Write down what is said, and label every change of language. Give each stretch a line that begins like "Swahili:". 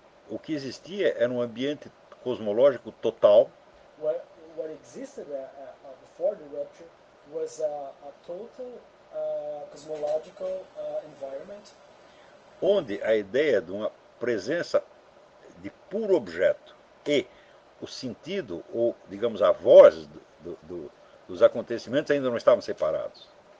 Portuguese: O que existia era um ambiente cosmológico total.
English: What existed before the rupture was a total cosmological environment,
Portuguese: onde a ideia de uma presença de puro objeto e o sentido, ou digamos, a voz dos acontecimentos ainda não estavam separados.